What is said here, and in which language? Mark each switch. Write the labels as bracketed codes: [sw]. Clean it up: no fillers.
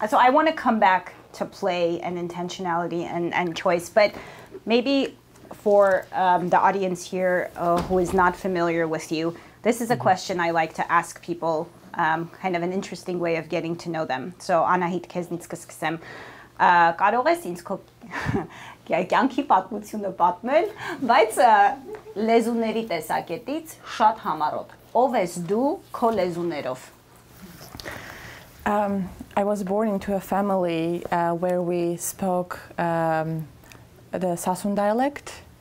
[en] So I want to come back to play and intentionality and choice. But maybe for the audience here who is not familiar with you, this is a question I like to ask people, kind of an interesting way of getting to know them. So, Anahit, [hy] քեզնից կսկսեմ. Կարո՞ղ ես ինձ քո կյանքի պատմությունը պատմել, բայց լեզուների տեսակետից շատ համառոտ։ Ո՞վ ես դու քո լեզուներով։ [en] I was born into a family where we spoke the Sasun dialect.